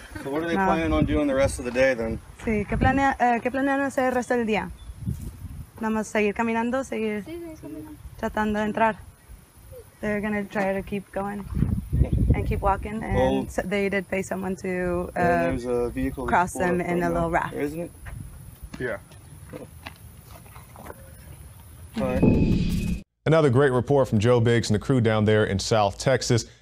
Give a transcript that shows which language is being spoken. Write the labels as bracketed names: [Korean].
[English] So what are they planning on doing the rest of the day then? [Spanish] Sí, ¿qué planean hacer el resto del día? Nada más seguir caminando, seguir tratando de entrar. [English] They're gonna try to keep going and keep walking. And well, so they did pay someone to cross them in a little raft. There, isn't it? Yeah. Cool. All right. Another great report from Joe Biggs and the crew down there in South Texas.